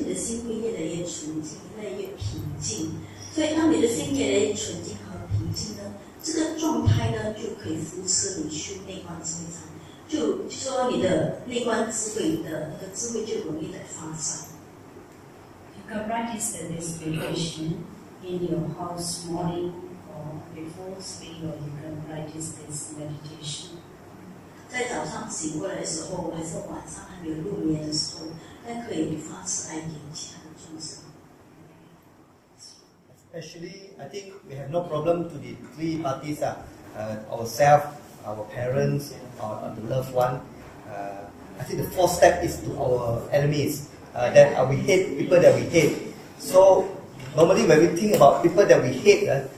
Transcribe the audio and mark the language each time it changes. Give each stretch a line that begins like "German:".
Chinese: 你可以就是有时间修，好像可以坐禅，如果可以你坐一个钟头，没有呢，在日常生活早上还是随时可以5分钟、10分钟啊，发你的慈爱，这样你一直发这个慈爱，就是你的心会越来越纯净，越来越平静。所以，当你的心越来越纯净和平静呢，这个状态呢，就可以扶持你修内观智慧禅，就说你的内观智慧的那个智慧就容易的发生。You
English: can practice this meditation in your house morning or before sleep, or you can practice this meditation.
Chinese: 在早上醒过来的时候，还是晚上还没有入眠的时候，都可以发慈爱给其他的众生。
English: Actually, I think we have no problem to the three parties, ourselves, our parents, or the loved one. I think the fourth step is to our enemies, that we hate, people that we hate. So, normally when we think about people that we hate,